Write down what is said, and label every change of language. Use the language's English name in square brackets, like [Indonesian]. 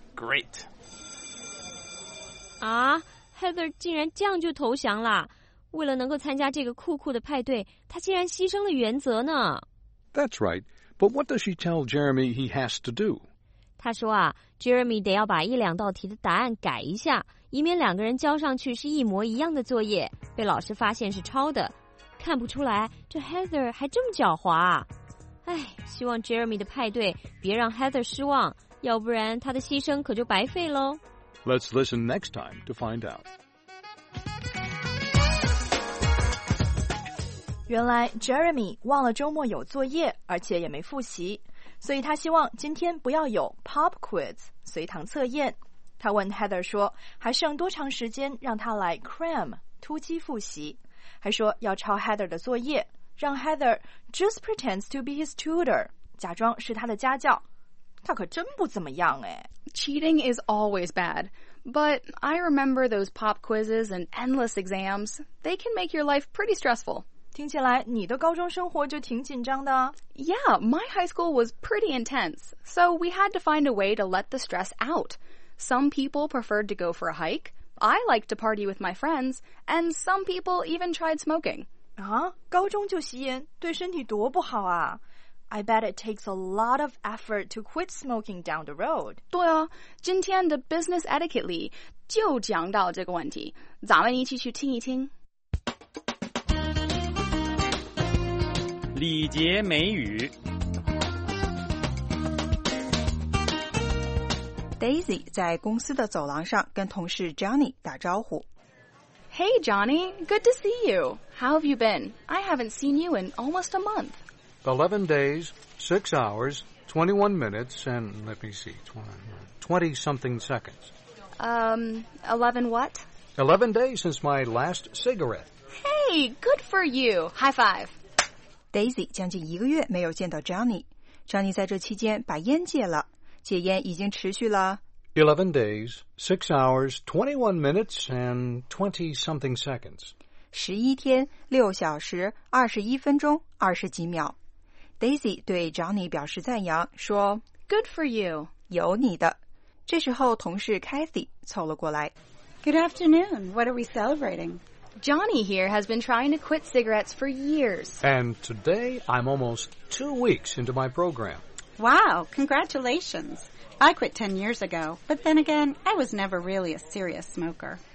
[English] Great. Ah? [Chinese] Heather 竟然降就投降了，为了能够参加这个酷酷的派对，她竟然牺牲了原则呢。 [English] That's right, but what does she tell Jeremy he has to do? [Chinese] 她说啊 ，Jeremy 得要把一两道题的答案改一下，以免两个人交上去是一模一样的作业，被老师发现是抄的。看不出来，这 Heather 还这么狡猾。哎，希望 Jeremy 的派对别让 Heather 失望，要不然她的牺牲可就白费喽。 [English] Let's listen next time to find out. [Chinese] 原来 Jeremy 忘了周末有作业，而且也没复习，所以他希望今天不要有 pop quiz 随堂测验。他问 Heather 说，还剩多长时间让他来 cram 突击复习，还说要抄 Heather 的作业，让 Heather [English] just pretends to be his tutor， [Chinese] 假装是他的家教。他可真不怎么样哎。 [English] Cheating is always bad, but I remember those pop quizzes and endless exams. They can make your life pretty stressful. [Chinese] 听起来你的高中生活就挺紧张的。 [English] Yeah, my high school was pretty intense, so we had to find a way to let the stress out. Some people preferred to go for a hike, I liked to party with my friends, and some people even tried smoking. [Chinese] 啊，高中就吸烟，对身体多不好啊。 [English] I bet it takes a lot of effort to quit smoking down the road. [Chinese] 对啊，今天的 business etiquette 里就讲到这个问题，咱们一起去听一听。礼节美语。 Daisy 在公司的走廊上跟同事 Johnny 打招呼。 [English] Hey Johnny, good to see you. How have you been? I haven't seen you in almost a month. 11 days, 6 hours, 21 minutes, and let me see, 20-something seconds. 11 what? 11 days since my last cigarette. Hey, good for you. High five. [Chinese] Daisy 将近一个月没有见到 Johnny. Johnny 在这期间把烟戒了。戒烟已经持续了。 [English] 11 days, 6 hours, 21 minutes, and 20-something seconds. [Chinese] 11天, 6小时, 21分钟, 20几秒。 Daisy 对 Johnny 表示赞扬，说 [English] Good for you. [Chinese] 有你的。这时候同事 Kathy 凑了过来。 [English] Good afternoon. What are we celebrating? Johnny here has been trying to quit cigarettes for years. And today I'm almost 2 weeks into my program. Wow, congratulations. I quit 10 years ago, but then again, I was never really a serious smoker.